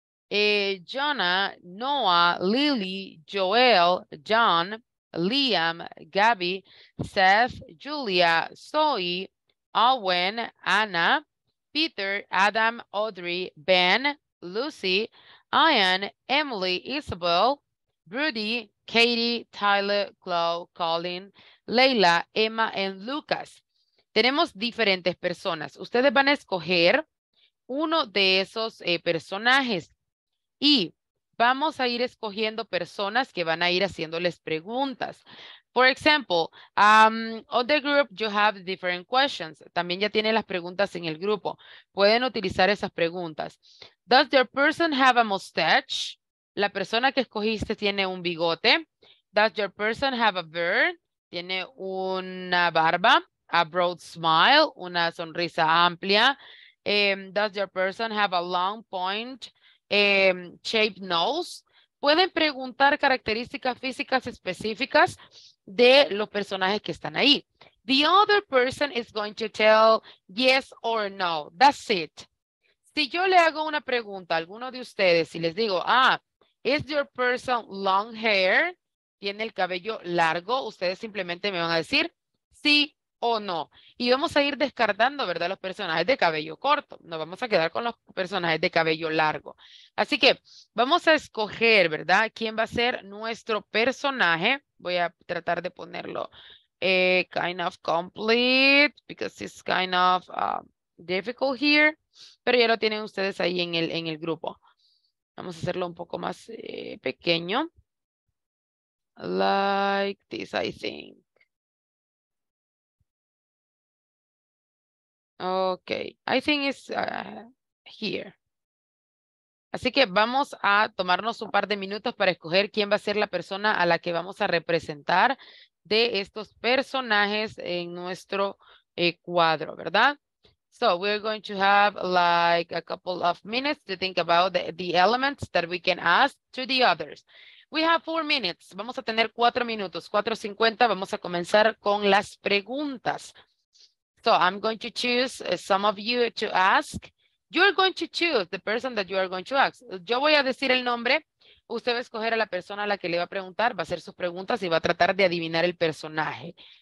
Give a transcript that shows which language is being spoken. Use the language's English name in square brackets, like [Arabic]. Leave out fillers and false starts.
[English] Jonah, Noah, Lily, Joel, John, Liam, Gabby, Seth, Julia, Zoe, Owen, Anna, Peter, Adam, Audrey, Ben, Lucy, Ian, Emily, Isabel, Rudy, Katie, Tyler, Chloe, Colin, Leila, Emma, and Lucas. [Spanish] Tenemos diferentes personas. Ustedes van a escoger uno de esos personajes y vamos a ir escogiendo personas que van a ir haciéndoles preguntas. [English] For example, on the group you have different questions. [Spanish] También ya tienen las preguntas en el grupo. Pueden utilizar esas preguntas. [English] Does your person have a mustache? [Spanish] La persona que escogiste tiene un bigote. [English] Does your person have a beard? [Spanish] Tiene una barba. [English] A broad smile, [Spanish] una sonrisa amplia. [English] Does your person have a long point shaped nose? [Spanish] Pueden preguntar características físicas específicas de los personajes que están ahí. [English] The other person is going to tell yes or no. That's it. [Spanish] Si yo le hago una pregunta a alguno de ustedes y les digo, ah, [English] is your person long hair? [Spanish] ¿Tiene el cabello largo? Ustedes simplemente me van a decir sí o no. Y vamos a ir descartando, ¿verdad?, los personajes de cabello corto. Nos vamos a quedar con los personajes de cabello largo. Así que vamos a escoger, ¿verdad?, quién va a ser nuestro personaje. Voy a tratar de ponerlo [English] kind of complete because it's kind of difficult here. [Spanish] Pero ya lo tienen ustedes ahí en el grupo. Vamos a hacerlo un poco más pequeño. [English] Like this, I think. Okay, I think it's here. [Spanish] Así que vamos a tomarnos un par de minutos para escoger quién va a ser la persona a la que vamos a representar de estos personajes en nuestro cuadro, ¿verdad? [English] So we're going to have like a couple of minutes to think about the elements that we can ask to the others. We have 4 minutes. [Spanish] Vamos a tener 4 minutos, 4:50. Vamos a comenzar con las preguntas. [English] So I'm going to choose some of you to ask. You're going to choose the person that you are going to ask. [Spanish] Yo voy a decir el nombre. Usted va a escoger a la persona a la que le va a preguntar, va a hacer sus preguntas y va a tratar de adivinar el personaje.